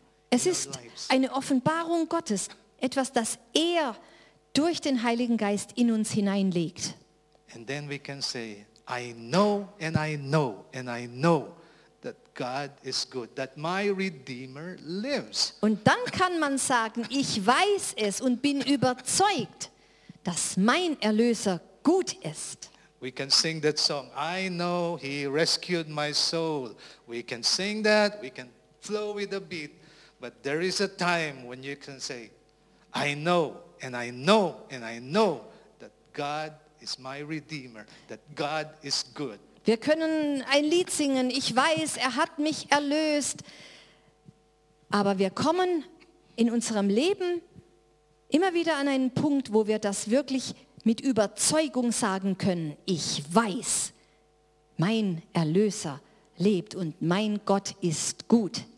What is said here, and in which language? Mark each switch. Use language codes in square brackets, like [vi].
[de] Es ist eine Offenbarung Gottes, etwas, das er durch den Heiligen Geist in uns hineinlegt. [en] And then we can say, I know and I know and I know that God is good, that my Redeemer lives. [de] Und dann kann man sagen, ich weiß es und bin überzeugt, dass mein Erlöser gut ist. [en] We can sing that song, I know he rescued my soul. We can sing that, we can flow with a beat, but there is a time when you can say, I know and I know and I know that God is my Redeemer, that God is good. [de] Wir können ein Lied singen, ich weiß, er hat mich erlöst, aber wir kommen in unserem Leben immer wieder an einen Punkt, wo wir das wirklich mit Überzeugung sagen können, ich weiß, mein Erlöser lebt und mein Gott ist gut.